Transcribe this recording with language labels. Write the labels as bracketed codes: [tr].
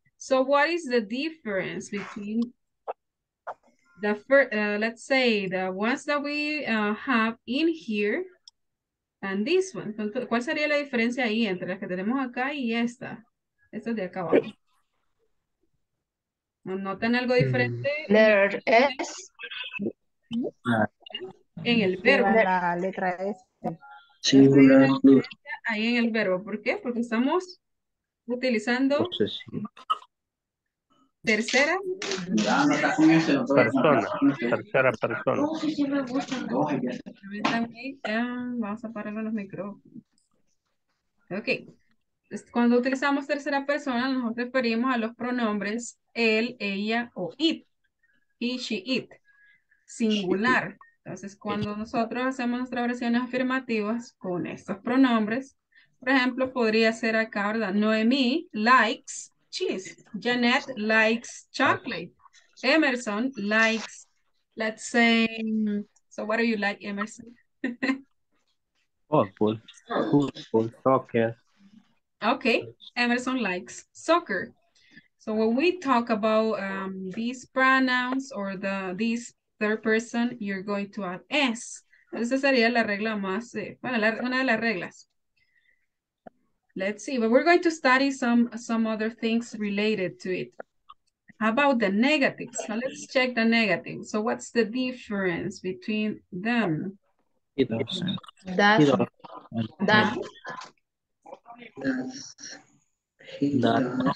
[en] So what is the difference between the first, let's say, the ones that we have in here and this one? [es] ¿Cuál sería la diferencia ahí entre las que tenemos acá y esta? Esta de acá abajo. ¿Notan algo diferente? [en] There S. [es] En el verbo. La letra S. Sí, ahí en el verbo. ¿Por qué? Porque estamos utilizando... ¿Tercera? Persona. Vamos a parar los micrófonos. Ok. Cuando utilizamos tercera persona, nos referimos a los pronombres él, ella o it. [en] He, she, it. Singular. [es] Entonces, cuando nosotros hacemos nuestras oraciones afirmativas con estos pronombres, por ejemplo, podría ser acá, ¿verdad? [en] Noemí likes cheese. Janet likes chocolate. Emerson likes, let's say, so what do you like, Emerson? Football, soccer. Okay, Emerson likes soccer. So when we talk about these pronouns or the this third person, you're going to add S. [es] Esa sería la regla más, bueno, una de las reglas. [en] Let's see, but we're going to study some other things related to it. How about the negatives? So let's check the negatives. So what's the difference between them? It doesn't.